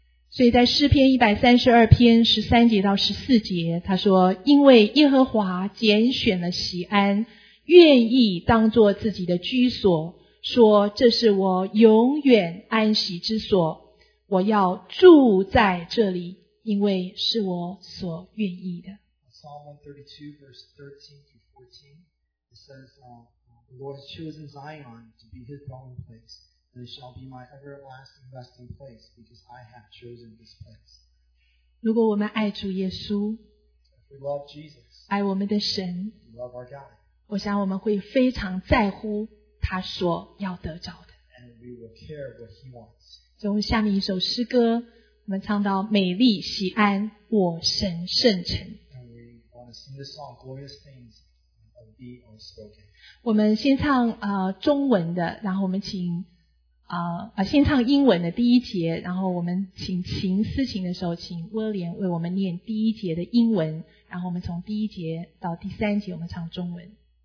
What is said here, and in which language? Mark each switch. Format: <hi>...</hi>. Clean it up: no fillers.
<zh>所以在诗篇132篇13节到14节他说，因为耶和华拣选了锡安，愿意当作自己的居所，说这是我永远安息之所，我要住在这里，因为是我所愿意的。</zh> <en>Psalm 132 verse 13-14 it says, the Lord has chosen Zion to be his dwelling place, and it shall be my everlasting resting place, because I have chosen this place.</en> <zh>如果我们爱主耶稣，</zh> <en>if we love Jesus,</en> <zh>爱我们的神，</zh> <en>we love our God,</en> <zh>我想我们会非常在乎他所要得着的。</zh> <en>And we will care what he wants.</en> <zh>就下面一首诗歌，我们唱到美丽锡安，我神圣城。</zh> <en>And we want to sing this song, glorious things of thee are spoken.</en> <zh>我们先唱中文的，然后我们请先唱英文的第一节，然后我们请琴思琴的时候，请威廉为我们念第一节的英文，然后我们从第一节到第三节我们唱中文。</zh>